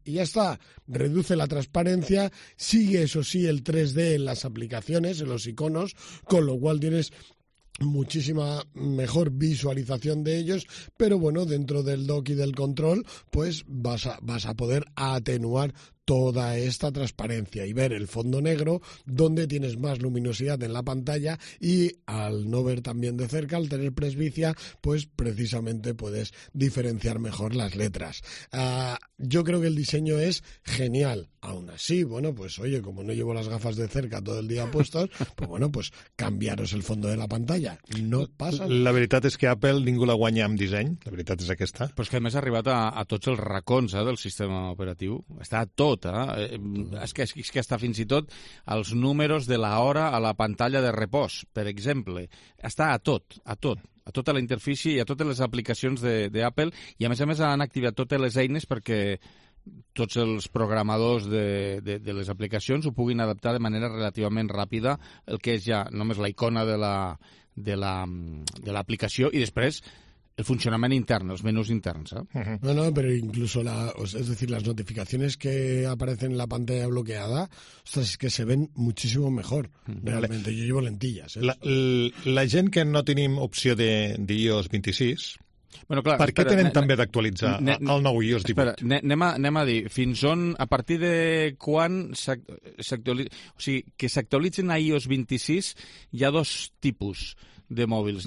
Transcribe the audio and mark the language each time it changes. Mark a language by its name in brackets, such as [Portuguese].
[Spanish] Y ya está, reduce la transparencia, sigue eso sí el 3D en las aplicaciones, en los iconos, con lo cual tienes muchísima mejor visualización de ellos, pero bueno, dentro del dock y del control, pues vas a poder atenuar toda esta transparencia y ver el fondo negro, donde tienes más luminosidad en la pantalla y al no ver también de cerca, al tener presbicia, pues precisamente puedes diferenciar mejor las letras. Yo creo que el diseño es genial. Aún así, bueno, pues oye, como no llevo las gafas de cerca todo el día puestas, pues bueno, pues cambiaros el fondo de la pantalla. No pasa. [Catalan] La veritat és que Apple ningú la guanya amb disseny. La veritat és aquesta. Però és que a més ha arribat a tots els racons del sistema operatiu. Està tot. És que està fins i tot els números de l'hora a la pantalla de repòs, per exemple. Està a tota la interfície i a totes les aplicacions d'Apple, i a més han activat totes les eines perquè tots els programadors de les aplicacions ho puguin adaptar de manera relativament ràpida, el que és ja només la icona de l'aplicació, i després [Spanish] el funcionamiento interno, los menús internos, ¿eh? No, pero incluso las notificaciones que aparecen en la pantalla bloqueada, ostras, es que se ven muchísimo mejor. Realmente, vale. Yo llevo lentillas, ¿eh? [Catalan] La gent que no tenim opció de iOS 26. Bueno, clar, per què tenen també d'actualitzar el nou iOS 18? Espera, anem a dir, fins on, a partir de quan s'actualitza, o sigui, que s'actualitzen a iOS 26, hi ha dos tipus de mòbils.